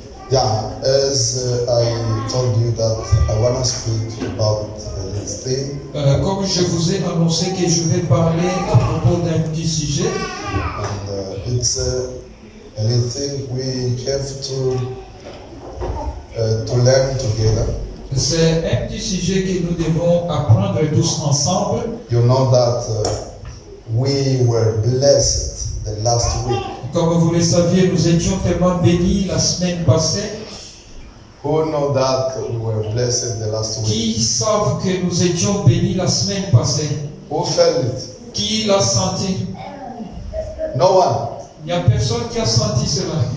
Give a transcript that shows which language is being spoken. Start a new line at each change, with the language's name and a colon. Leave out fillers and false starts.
English: Yeah, as I told you that I want to speak about this thing.
French: Comme je vous ai annoncé que je vais parler à propos d'un petit sujet.
English: And it's a little thing we have to learn together.
French: C'est un petit sujet que nous devons apprendre tous ensemble.
English: You know that we were blessed the last week.
French: Comme vous le saviez, nous étions tellement bénis la semaine passée.
English: Who know that we were blessed the last week?
French: Qui savent que nous étions bénis la semaine passée?
English: Who felt it?
French: Qui l'a senti?
English: No one.
French: Il n'y a personne qui a senti cela.